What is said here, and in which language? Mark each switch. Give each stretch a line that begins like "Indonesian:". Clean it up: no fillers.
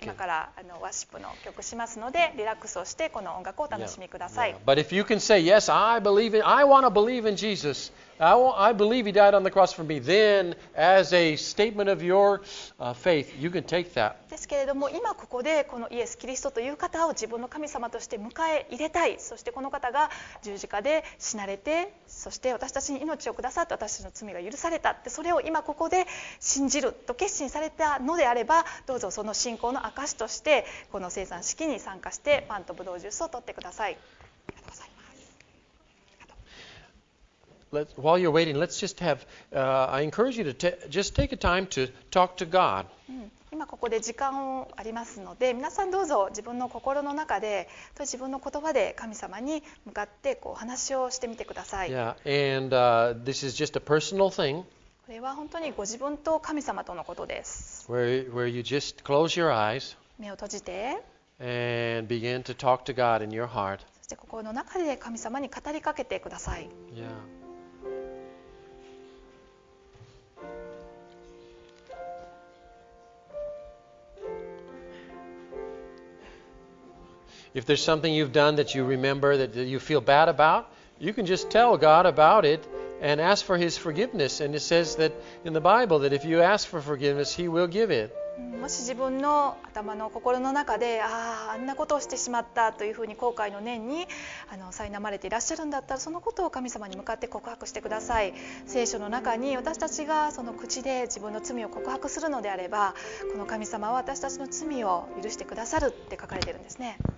Japanese: 今からワーシップの曲しますので、リラックスをしてこの音楽を楽しみください。
English: But if you can say, yes, I want to believe in Jesus. I believe he died on the cross for me. Then, as a statement of your faith, you can take that.
Japanese: ですけれども、今ここでこのイエス・キリストという方を自分の神様として迎え入れたい。そしてこの方が十字架で死なれて、そして私たちに命をくださって、私たちの罪が許されたって、それを今ここで信じると決心されたのであれば、どうぞその信仰の証としてこの聖餐式に参加してパンとブドウジュースを取ってください。
English: While you're waiting, let's just have, I encourage you to just take a time to talk to God.
Japanese: 今ここで時間をありますので、皆さんどうぞ自分の心の中で自分の言葉で神様に向かってこう話をしてみてください。
English: Yeah, and this is just a personal thing.
Japanese: これは本当にご自分と神様とのことです。
English: Where you just close your eyes,
Japanese: 目を閉じて、
English: and begin to talk to God in your heart.
Japanese: そして心の中で神様に語りかけてください。
English: Yeah. If there's something you've done that you remember that you feel bad about, you can just tell God about it. And ask for his forgiveness. And it says that in the Bible that if you ask for forgiveness, he will give it.
Japanese: もし自分の頭の心の中で、あんなことをしてしまったというふうに後悔の念に苛まれていらっしゃるんだったら、そのことを神様に向かって告白してください。聖書の中に私たちがその口で自分の罪を告白するのであれば、この神様は私たちの罪を許してくださるって書かれてるんですね。